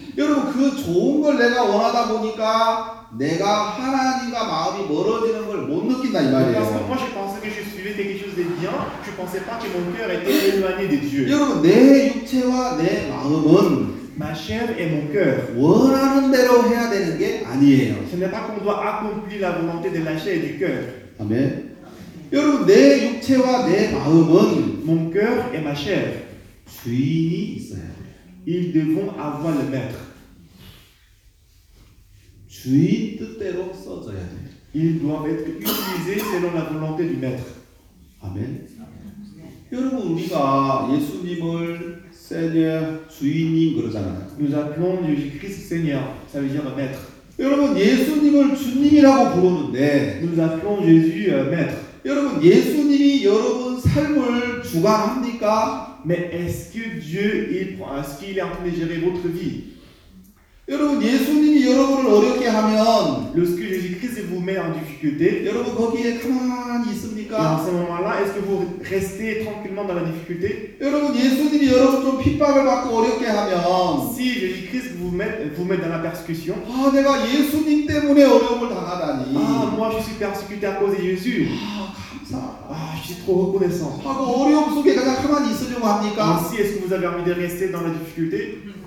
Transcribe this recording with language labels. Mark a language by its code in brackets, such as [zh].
[ko] 여러분, 그 좋은 걸 내가 원하다 보니까 내가 하나님과 마음이 멀어지는 걸 못 느낀다 이 말이에요. [fr] Parce que moi je pensais que je suivais quelque chose de bien, je pensais pas que mon cœur était éloigné de Dieu. [ko] 여러분 내 육체와 내 마음은 [fr] Ma chair et mon cœur [ko] 원하는 대로 해야 되는 게 아니에요. [fr] Ce n'est pas qu'on doit accomplir la volonté de la chair et du cœur. Amen. [ko] 여러분 내 육체와 내 마음은 [fr] Mon cœur et ma chair [ko] 주인이 있어요. [fr] ils devront avoir le maître. [ko] 주인 뜻대로 써져야 돼. [fr] Ils doivent être utilisés selon la volonté du maître. Amen. [ko] 여러분 우리가 예수님을 Seigneur, 주인님 그러잖아요. [fr] Nous appelons Jésus-Christ Seigneur. Ça veut dire maître. [ko] 여러분 예수님을 주님이라고 부르는데. [fr] Nous appelons Jésus maître. [ko] 여러분 예수님이 여러분 삶을 주관합니까? [fr] Mais est-ce que Dieu est-ce qu'il est en train de gérer votre vie? [ko] 여러분 예수님이 여러분을 어렵게 하면, [fr] lorsque Jésus-Christ vous met en difficulté, [ko] 여러분 거기에 가만히 있습니까? [fr] À ce moment-là, est-ce que vous restez tranquillement dans la difficulté? [ko] 여러분 예수님이 여러분 좀 핍박을 받고 어렵게 하면, [fr] si Jésus-Christ vous met dans la persécution, [ko] 아 내가 예수님 때문에 어려움을 당하다니. [fr] Ah, moi je suis persécuté à cause de Jésus. Ah, je suis trop reconnaissant. [ko] 하고 어려움 속에 내가 가만히 있으려고 합니까? [fr] Ah, si, est-ce que vous avez envie de rester dans la difficulté?